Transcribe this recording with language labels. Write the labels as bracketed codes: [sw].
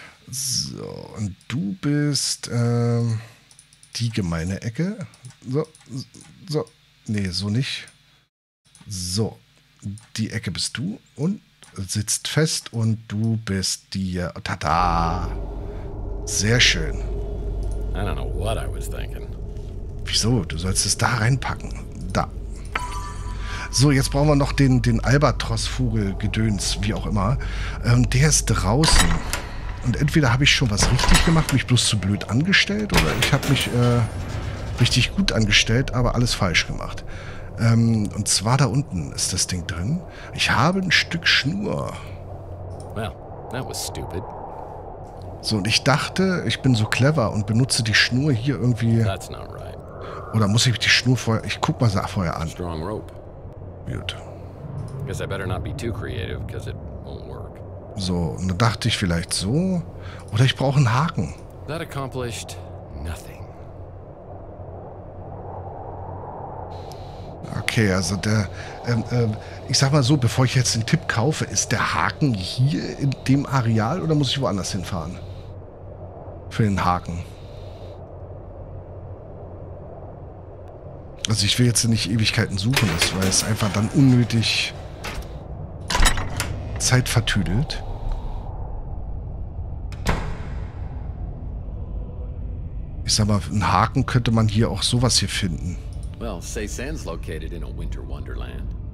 [de] So, und du bist die gemeine Ecke. So. Nee, so nicht. So, die Ecke bist du und sitzt fest und du bist die... Tada! Sehr schön. [en] I don't know what I was thinking. [de] Wieso? Du sollst es da reinpacken. Da. So, jetzt brauchen wir noch den Albatros-Vogel-Gedöns, wie auch immer. Der ist draußen. Und entweder habe ich schon was richtig gemacht, mich bloß zu blöd angestellt, oder ich habe mich richtig gut angestellt, aber alles falsch gemacht. Und zwar da unten ist das Ding drin. Ich habe ein Stück Schnur. [en] Well, that was stupid. [de] So, und ich dachte, ich bin so clever und benutze die Schnur hier irgendwie. [en] That's not right. [de] Oder muss ich die Schnur vorher... Ich guck mal sie vorher an. [en] Strong rope. [de] Gut. [en] Guess I better not be too creative, because it won't work. [de] So, und dann dachte ich vielleicht so. Oder ich brauche einen Haken. [en] That accomplished nothing. [de] Okay, also der... ich sag mal so, bevor ich jetzt den Tipp kaufe, ist der Haken hier in dem Areal oder muss ich woanders hinfahren? Für den Haken. Also ich will jetzt nicht Ewigkeiten suchen, weil es einfach dann unnötig Zeit vertüdelt. Ich sag mal, einen Haken könnte man hier auch sowas hier finden. [en] Well, say sand's located in a winter wonderland.